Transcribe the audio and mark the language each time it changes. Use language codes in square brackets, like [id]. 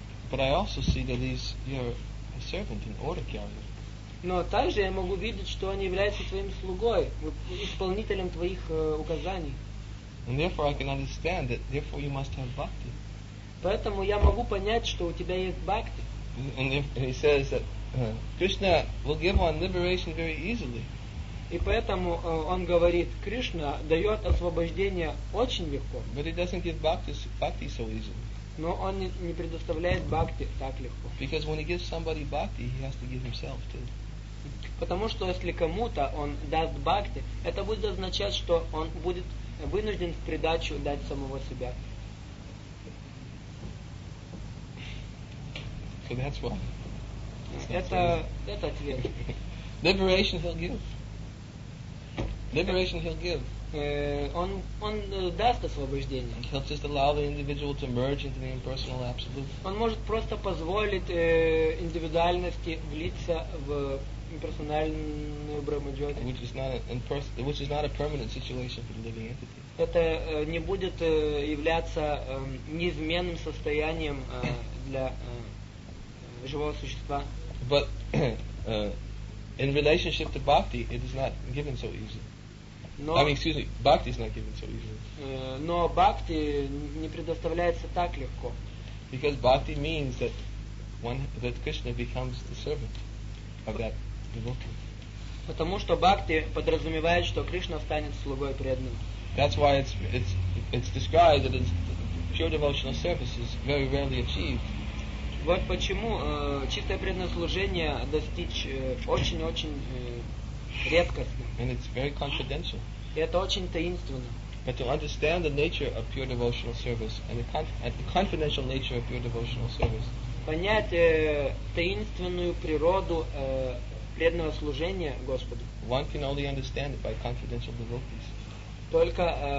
[en] But I also see that he's your servant in order carrier. [ru] Но также я могу видеть, что он является твоим слугой, исполнителем твоих указаний. [en] And therefore I can understand that therefore you must have bhakti. [ru] Поэтому я могу понять, что у тебя есть бхакти. [en] And he says that Krishna will give one liberation very easily. [ru] И поэтому он говорит, Кришна дает освобождение очень легко. [en] But he doesn't give bhakti so easily. [ru] Но он не предоставляет бхакти так легко. [en] Because when he gives somebody bhakti, he has to give himself too. [ru] Потому что если кому-то он даст бхакти, это будет означать, что он будет вынужден в придачу дать самого себя. [en] So that's why. [ru] Это ответ. [en] Liberation he'll give. Liberation he'll give. [ru] Он даст освобождение. [en] He'll just allow the individual to merge into the impersonal absolute. [ru] Он может просто позволить индивидуальности влиться в персональную брахмаджоти. [en] Which is not a permanent situation for the living entity. [ru] Это не будет являться неизменным состоянием для живого существа. [en] But in relationship to bhakti, it is not given so easy. Bhakti is not given so easily. [ru] Но бхакти не предоставляется так легко. [en] Because bhakti means that Krishna becomes the servant of that devotee. [ru] Потому что бхакти подразумевает, что Кришна станет слугой преданным. [en] That's why it's described that it's pure devotional service is very rarely achieved. [ru] Вот почему чистое преданное служение достичь очень-очень редкостно. [en] And it's very confidential. [ru] И это очень таинственно. [en] But to understand the nature of pure devotional service and the confidential nature of pure devotional service. [ru] Понять таинственную природу преданного служения Господу. [en] One can only understand it by confidential devotees.